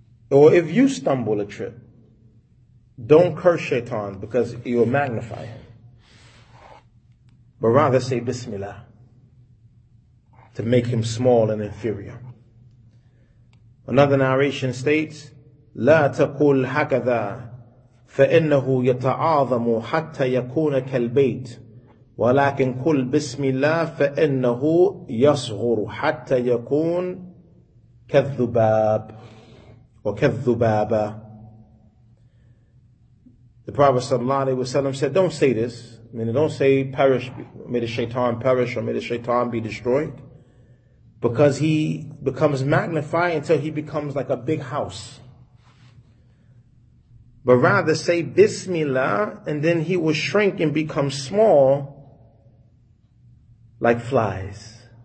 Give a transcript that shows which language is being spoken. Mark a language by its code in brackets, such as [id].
[en] Or if you stumble a trip, don't curse shaitan because he will magnify him. But rather say Bismillah to make him small and inferior. Another narration states, [ar] لا تقول هكذا فإنه يتعاظم حتى يكون كالبيت ولكن قل بسم الله فإنه يصغر حتى يكون كالذباب وكالذبابة. [en] The Prophet sallallahu alaihi wasallam said, don't say this, meaning don't say perish, may the shaitan perish or may the shaitan be destroyed, because he becomes magnified until he becomes like a big house. But rather say Bismillah, and then he will shrink and become small like flies.